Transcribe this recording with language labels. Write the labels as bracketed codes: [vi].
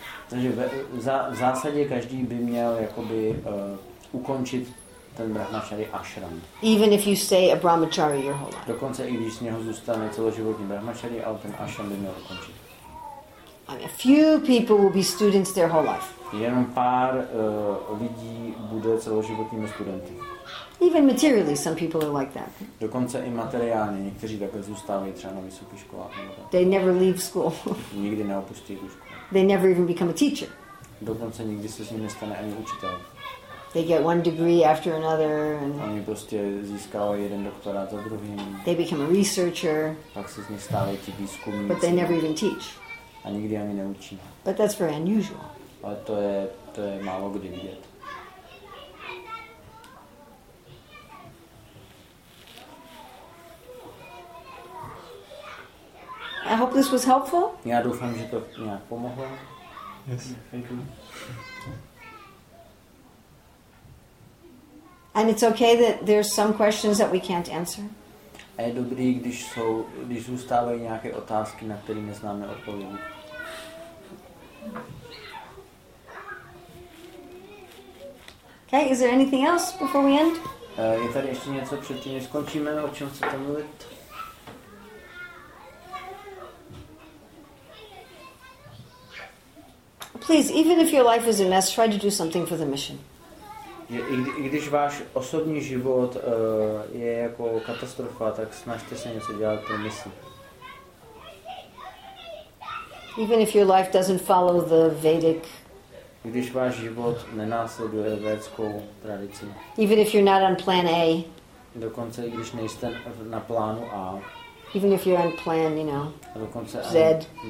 [cs] Takže v zásadě každý by měl jakoby ukončit ten brahmačary ashram. [en] Even if you stay a brahmachari your whole life. [cs] Dokonce i když z něho zůstane celoživotní brahmačary, ale ten ashram by měl ukončit. [en] I mean, a few people will be students their whole life. [cs] Jenom pár lidí bude celoživotními studenty. [en] Even materially, some people are like that. [cs] Dokonce i materiálně, někteří takhle zůstávají třeba na vysoké škole. [en] They never leave school. [cs] Nikdy neopustí tu školu. [en] They never even become a teacher. [cs] Dokonce nikdy se s nimi nestane ani učitel. [en] They get one degree after another. And [cs] oni prostě získávají jeden doktorát za druhým. [en] They become a researcher. [cs] Pak se z nich stávají ti výzkumníci. [en] But they never even teach. [cs] A nikdy ani neučí. [en] But that's very unusual. [cs] Ale to je málo kdy vidět. [en] I hope this was helpful. [cs] Já doufám, že to nějak pomohlo. [en] Yes, thank you. And it's okay that there's some questions that we can't answer. [cs] A je dobrý, když zůstávají nějaké otázky, na které neznáme odpovědi. [en] Okay, is there anything else before we end? [cs] Je tady ještě něco předtím, než skončíme, o čem chcete mluvit? [en] Please, even if your life is a mess, try to do something for the mission. [cs] I když váš osobní život je jako katastrofa, tak snažte se něco dělat pro misi. [en] Even if your life doesn't follow the Vedic. [cs] I když váš život nenásleduje védskou tradici. [en] Even if you're not on plan A. [cs] Dokonce i když nejste na plánu A. [en] Even if you're on plan, you know, Z.